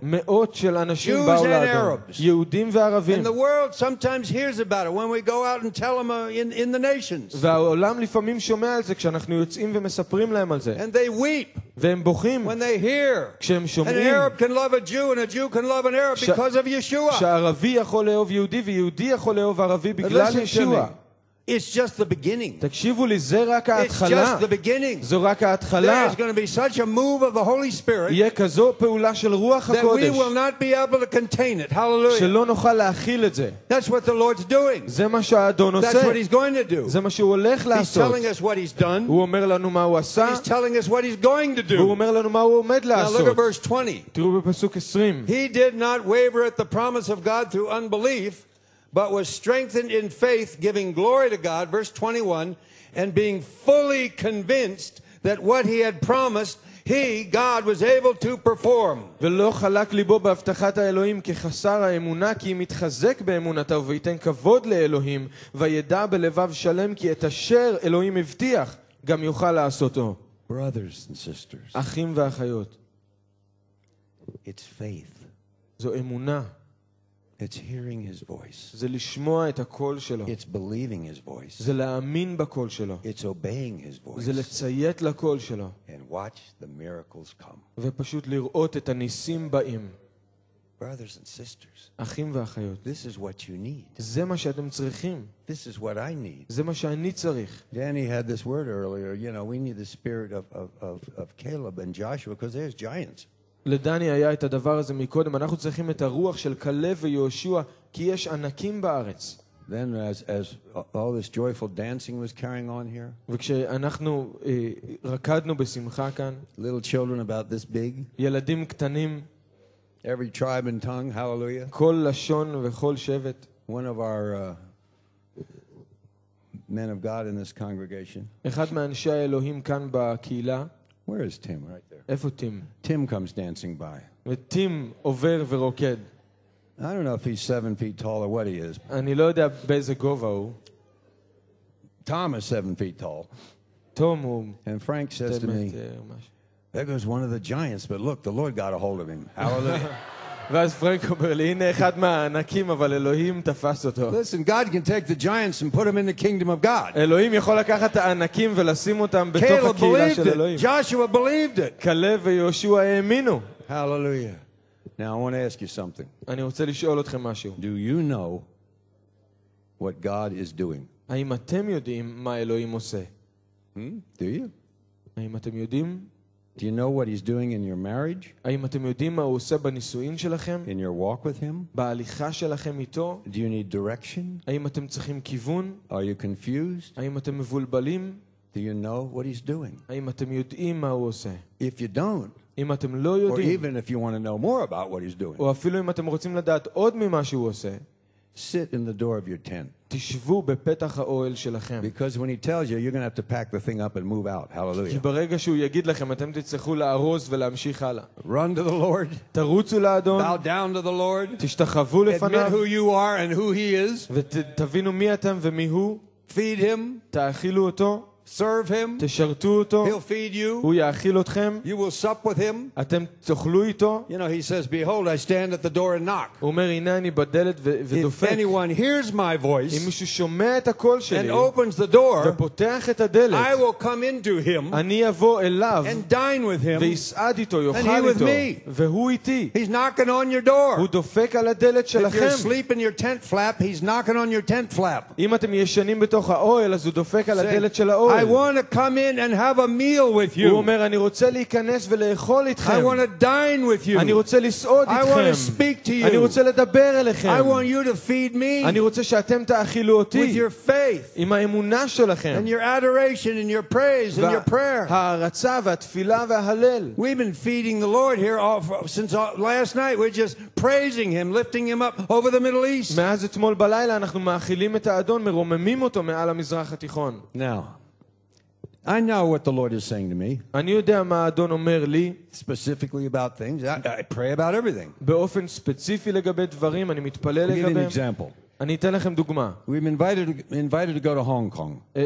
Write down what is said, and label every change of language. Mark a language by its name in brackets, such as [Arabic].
[Hebrew] מאות של אנשים באו לאדון, יהודים וערבים, [English] and the world sometimes hears about it when we go out and tell them in the nations, [Hebrew] והעולם לפעמים שומע על זה כשאנחנו יוצאים ומספרים להם על זה, [English] and they weep, [Hebrew] והם בוכים, [English] when they hear, [Hebrew] כשהם שומעים, [English] an Arab can love a Jew and a Jew can love an Arab because of Yeshua, [Hebrew] שערבי יכול לאהוב יהודי ויהודי יכול לאהוב ערבי בגלל ישוע. [English] It's just the beginning. [Hebrew] תקשיבו לי, זה רק ההתחלה. [English] It's just the beginning. [Hebrew] זו רק ההתחלה. [English] There's going to be such a move of the Holy Spirit. [Hebrew] יהיה כזו פעולה של רוח הקודש. [English] That we will not be able to contain it. Hallelujah. [Hebrew] שלא נוכל להכיל את זה. [English] That's what the Lord's doing. [Hebrew] זה מה שהאדון עושה. [English] That's what he's going to do. [Hebrew] זה מה שהוא הולך לעשות. [English] He's telling us what he's done. [Hebrew] הוא אומר לנו מה הוא עשה. [English] He's telling us what he's going to do. [Hebrew] הוא אומר לנו מה הוא עומד לעשות. [English] Now look at verse 20. [Hebrew] תראו בפסוק 20. [English] He did not waver at the promise of God through unbelief, but was strengthened in faith, giving glory to God, verse 21, and being fully convinced that what he had promised, he, God, was able to perform. [Hebrew] ולא חלק ליבו בהבטחת האלוהים כחסר האמונה, כי אם יתחזק באמונתו ויתן כבוד לאלוהים, וידע בלבב שלם כי את אשר אלוהים הבטיח, גם יוכל לעשותו. [English] Brothers and sisters. [Hebrew] אחים ואחיות. [English] It's faith. [Hebrew] זו אמונה. [English] It's hearing his voice. [Hebrew] זה לשמוע את הקול שלו. [English] It's believing his voice. [Hebrew] זה להאמין בקול שלו. [English] It's obeying his voice. [Hebrew] זה לציית לקול שלו. [English] And watch the miracles come. [Hebrew] ופשוט לראות את הניסים באים. [English] Brothers and sisters. [Hebrew] אחים ואחיות. [English] This is what you need. [Hebrew] זה מה שאתם צריכים. [English] This is what I need. [Hebrew] זה מה שאני צריך. [English] Danny had this word earlier, you know, we need the spirit of Caleb and Joshua because there's giants. [Hebrew] לדני היה את הדבר הזה מקודם. אנחנו צריכים את הרוח של כלב ויהושע כי יש ענקים בארץ. [English] Then as all this joyful dancing was carrying on here. [Hebrew] וכשאנחנו רקדנו בשמחה כאן. [English] Little children about this big. [Hebrew] ילדים קטנים. [English] Every tribe and tongue, hallelujah. [Hebrew] כל לשון וכל שבט. [English] One of our men of God in this congregation. [Hebrew] אחד מאנשי האלוהים כאן בקהילה. [English] Where is Tim? Right there. [Hebrew] איפה טים? [English] Tim comes dancing by. [Hebrew] וטים עובר ורוקד. [English] I don't know if he's 7 feet tall or what he is. [Hebrew] אני לא יודע באיזה גובה הוא. [English] Tom is 7 feet tall. [Hebrew] טום הוא. [English] And Frank says to me, there goes one of the giants, but look, the Lord got a hold of him. Hallelujah. [Hebrew] ואז פרנק אומר לי, הנה אחד מהענקים, אבל אלוהים תפס אותו. [English] Listen, God can take the giants and put them in the kingdom of God. [Hebrew] אלוהים יכול לקחת הענקים ולשים אותם בתוך הקהילה של אלוהים. [English] Caleb believed it. Joshua believed it. [Hebrew] כלב ויהושע האמינו. [English] Hallelujah. Now I want to ask you something. [Hebrew] אני רוצה לשאול אתכם משהו. [English] Do you know what God is doing? [Hebrew] האם אתם יודעים מה אלוהים עושה? [English] Do you? [Hebrew] האם אתם יודעים? [English] Do you know what he's doing in your marriage? [Hebrew] האם אתם יודעים מה הוא עושה בנישואין שלכם? [English] In your walk with him? [Hebrew] בהליכה שלכם איתו? [English] Do you need direction? [Hebrew] האם אתם צריכים כיוון? [English] Are you confused? [Hebrew] האם אתם מבולבלים? [English] Do you know what he's doing? [Hebrew] האם אתם יודעים מה הוא עושה? [English] If you don't, [Hebrew] אם אתם לא יודעים, [English] or even if you want to know more about what he's doing, [Hebrew] או אפילו אם אתם רוצים לדעת עוד ממה שהוא עושה, [English] sit in the door of your tent. [Hebrew] תשבו בפתח האוהל שלכם. [English] Because when he tells you, you're going to have to pack the thing up and move out. Hallelujah. [Hebrew] כי ברגע שהוא יגיד לכם, אתם תצטרכו לארוז ולהמשיך הלאה. [English] Run to the Lord. [Hebrew] תרוצו לאדון. [English] Bow down to the Lord. [Hebrew] תשתחוו לפניו. [English] Admit who you are and who he is. [Hebrew] ותבינו מי אתם ומי הוא. [English] Feed him. [Hebrew] תאכילו אותו. [English] Serve him. [Hebrew] תשרתו אותו. [English] He'll feed you. [Hebrew] הוא יאכיל אתכם. [English] You will sup with him. [Hebrew] אתם תאכלו איתו. [English] You know, he says, behold, I stand at the door and knock. [Hebrew] הוא אומר, הנה אני בדלת ודופק. [English] If anyone hears my voice, [Hebrew] אם מישהו שומע את הקול שלי, [English] and opens the door, [Hebrew] ופותח את הדלת, [English] I will come into him, [Hebrew] אני אבוא אליו, [English] and dine with him, [Hebrew] ויסעד איתו, יאכל איתו, [English] and he with me, [Hebrew] והוא איתי. [English] He's knocking on your door. [Hebrew] הוא דופק על הדלת שלכם. [English] If you're sleeping in your tent flap, he's knocking on your tent flap. [Hebrew] אם אתם ישנים בתוך האוהל, אז הוא דופק על הדלת של האוהל. [English] I want to come in and have a meal with you. [Hebrew] הוא אומר, אני רוצה להיכנס ולאכול איתכם. [English] I want to dine with you. [Hebrew] אני רוצה לסעוד איתכם. [English] I want to speak to you. [Hebrew] אני רוצה לדבר אליכם. [English] I want you to feed me. [Hebrew] אני רוצה שאתם תאכילו אותי. [English] With your faith. [Hebrew] עם האמונה שלכם. [English] And your adoration and your praise and your prayer. [Hebrew] ההערצה והתפילה וההלל. [English] We've been feeding the Lord here since last night. We're just praising him, lifting him up over the Middle East. [Hebrew] מאז אתמול בלילה אנחנו מאכילים את האדון, מרוממים אותו מעל המזרח התיכון. [English] Now, I know what the Lord is saying to me. [Hebrew] אני יודע מה האדון אומר לי. [English] Specifically about things. I pray about everything. [Hebrew] באופן ספציפי לגבי דברים, אני מתפלל לגביהם. [English] Give you an example. [Hebrew] אני אתן לכם דוגמה. [English] We've been invited to go to Hong Kong.